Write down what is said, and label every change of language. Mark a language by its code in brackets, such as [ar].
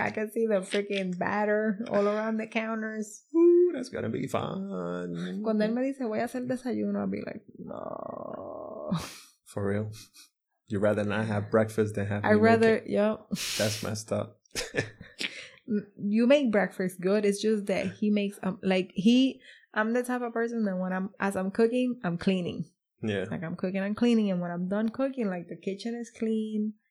[en] I can see the freaking batter all around the counters. Ooh, that's gonna be fun. [es] Cuando él me dice, voy a hacer desayuno, [en] I'll be like, no. For real. You'd rather not have breakfast than have. I'd rather, That's messed up. You make breakfast good. It's just that he makes I'm the type of person that when I'm cooking, I'm cleaning. Yeah. Like I'm cooking, I'm cleaning, and when I'm done cooking, like the kitchen is clean.